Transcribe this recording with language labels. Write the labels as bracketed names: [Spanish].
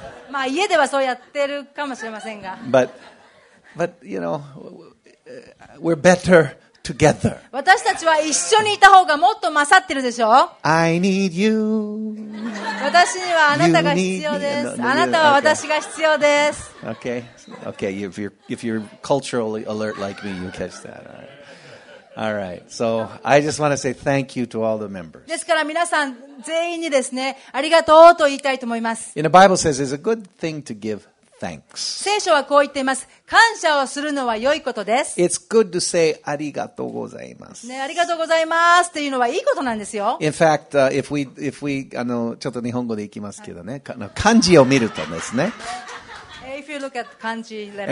[Japanese] まあ家ではそうやってるかもしれませんが。 [English] But you know, we're better. together. [Japanese] 私たちは一緒にいた方がもっと勝ってるでしょ。 [English] I need you. [Japanese] 私にはあなたが必要です。あなたは私が必要です。 [English] Okay. Okay. If you're culturally alert like me, you catch that. All right. So I just want to say thank you to all the members. [Japanese] ですから皆さん全員にですね、ありがとうと言いたいと思います。 [English] And the Bible says it's a good thing to give. Thanks. [Japanese] 聖書はこう言っています。感謝をするのは良いことです。 [English] It's good to say [Japanese] ありがとうございます。ね、ありがとうございますっていうのは良いことなんですよ。 [English] In fact, if we [Japanese] ちょっと日本語でいきますけどね、漢字を見るとですね。 [English] If you look at 漢字 letters,